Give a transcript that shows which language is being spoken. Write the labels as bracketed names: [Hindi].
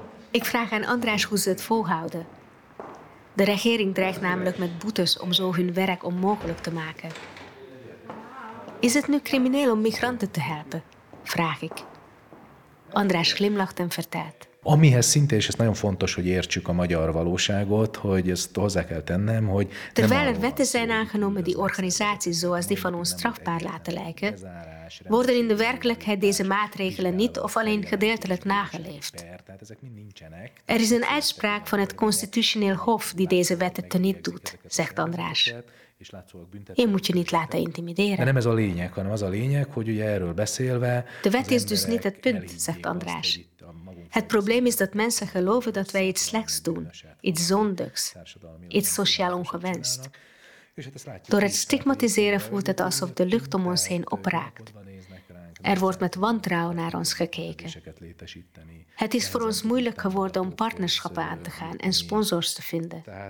[Dutch] Ik vraag aan Andraas hoe ze het volhouden. De regering dreigt namelijk met boetes om zo hun werk onmogelijk te maken. Is het nu crimineel om migranten te helpen? Vraag ik. Andraas glimlacht en vertelt. [Hungarian] Amihez szinte, és ez nagyon fontos, hogy értsük a magyar valóságot, hogy ezt hozzá kell tennem, hogy... [Dutch] Terwijl er wetten zijn aangenomen die organisaties zoals die van ons strafbaar laten lijken, worden in de werkelijkheid deze maatregelen niet of alleen gedeeltelijk nageleefd. Er is een uitspraak van het constitutioneel hof die deze wetten teniet doet, zegt Andraas. Je moet je niet laten intimideren. [Hungarian] Nem ez a lényeg, hanem az a lényeg, hogy ugye erről beszélve... [Dutch] De wet is dus niet het punt, zegt Andraas. Het probleem is dat mensen geloven dat wij iets slechts doen, iets zondigs, iets sociaal ongewenst. Door het stigmatiseren voelt het alsof de lucht om ons heen opraakt. Er wordt met wantrouwen naar ons gekeken. Het is voor ons moeilijk geworden om partnerschappen aan te gaan en sponsors te vinden.